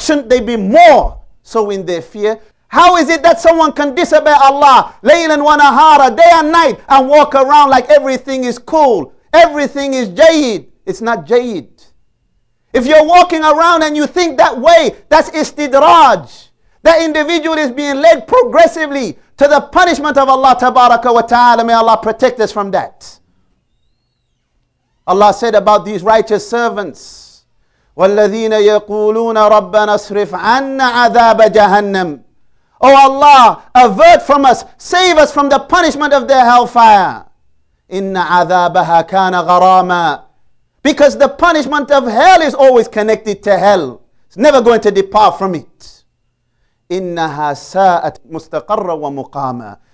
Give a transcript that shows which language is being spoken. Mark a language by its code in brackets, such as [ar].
[en] Shouldn't they be more so in their fear? How is it that someone can disobey Allah, [ar] laylan wa nahara, [en] day and night, and walk around like everything is cool? Everything is jayid. It's not jayid. If you're walking around and you think that way, that's istidraj. That individual is being led progressively to the punishment of Allah Tabaraka wa Ta'ala. May Allah protect us from that. Allah said about these righteous servants, [ar] وَالَّذِينَ يَقُولُونَ رَبَّنَا اصْرِفْ عَنَّا عَذَابَ جَهَنَّمْ. [en] Oh Allah, avert from us, save us from the punishment of the hellfire. [ar] إِنَّ عَذَابَهَا كَانَ غَرَامًا. [en] Because the punishment of hell is always connected to hell. It's never going to depart from it. [ar] إِنَّهَا سَاءَتْ مُسْتَقَرًّا وَمُقَامًا.